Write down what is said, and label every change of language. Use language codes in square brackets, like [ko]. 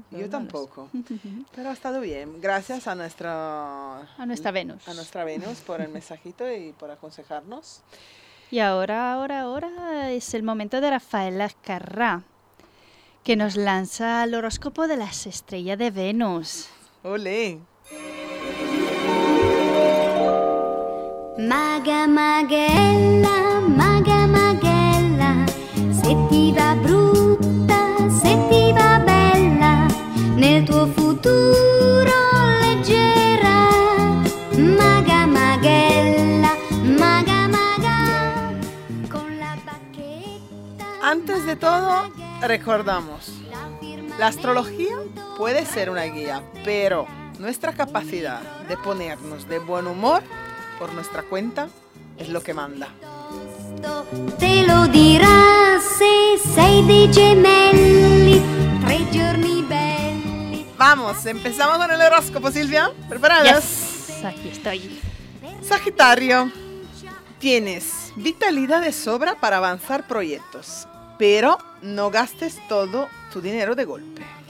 [es] No, yo tampoco. Pero ha estado bien. Gracias a nuestra... A nuestra Venus. A nuestra Venus por el mensajito y por aconsejarnos. Y ahora es el momento de Rafael Azcarrá, que nos lanza el horóscopo de las estrellas de Venus. ¡Olé! [it] Maga Maguela, Maga Maguela, se ti va brutta, se ti va bella, nel tuo futuro leggerà. Maga Maguela, Maga Maga, con la bacchetta. [es] Antes de todo, recordamos, la astrología puede ser una guía, pero nuestra capacidad de ponernos de buen humor por nuestra cuenta es lo que manda. [it] Te lo dirá si sei dei gemelli, tre giorni belli. [es] Vamos, empezamos con el horóscopo, Silvia. ¿Preparadas? Yes, aquí estoy. Sagitario, tienes vitalidad de sobra para avanzar proyectos, pero no gastes todo tu dinero de golpe.